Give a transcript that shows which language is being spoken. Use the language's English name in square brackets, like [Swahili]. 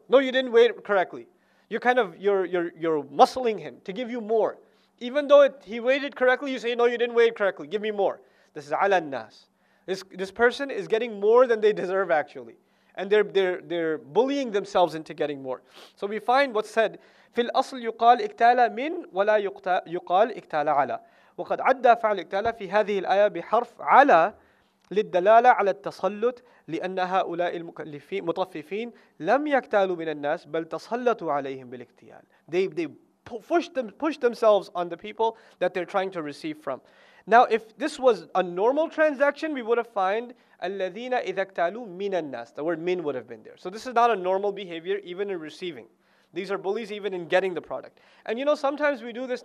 [English] No, you didn't weigh it correctly. You're muscling him to give you more. Even though he weighed it correctly, you say, no, you didn't weigh it correctly. Give me more. This is ala nas. This person is getting more than they deserve, actually. And they're bullying themselves into getting more. So we find what's said, [Arabic] فِي الْأَصْلِ يُقَالْ اِكْتَالَ مِنْ وَلَا يُقَالْ اِكْتَالَ عَلَى وَقَدْ عَدَّى فَعْلِ اِكْتَالَ فِي هَذِهِ الْآيَا بِحَرْفْ عَلَى للدلالة على التسلط لأن هؤلاء المطففين لم يكتالوا من الناس بل تسلطوا عليهم بالاكتيال. [English] They push themselves on the people that they're trying to receive from. Now, if this was a normal transaction, we would have found [Arabic] الذين إذا اكتالوا من الناس. [English] The word min would have been there. So this is not a normal behavior, even in receiving. These are bullies even in getting the product. And you know, sometimes we do this.